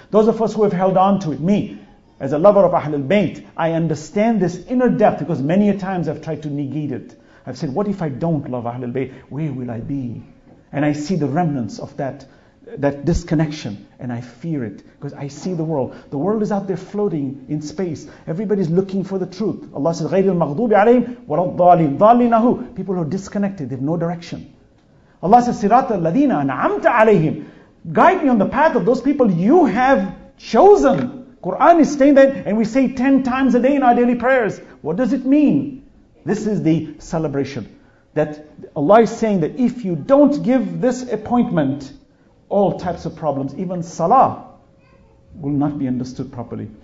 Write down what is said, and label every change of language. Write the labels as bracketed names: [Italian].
[English] Those of us who have held on to it, me, as a lover of Ahlul Bayt, I understand this inner depth because many a times I've tried to negate it. I've said, what if I don't love Ahlul Bayt? Where will I be? And I see the remnants of that disconnection, and I fear it because I see the world. The world is out there floating in space. Everybody's looking for the truth. Allah says, [Arabic] غَيْرِ الْمَغْضُوبِ عَلَيْهِمْ وَلَا الضَّالِينَ ضَالِينَهُ. [English] People who are disconnected, they have no direction. Allah says, [Arabic] صِرَاطَ الَّذِينَ أَنْعَمْتَ عَلَيْهِمْ. [English] Guide me on the path of those people you have chosen. Quran is saying that, and we say 10 times a day in our daily prayers. What does it mean? This is the celebration. That Allah is saying that if you don't give this appointment, all types of problems, even salah, will not be understood properly.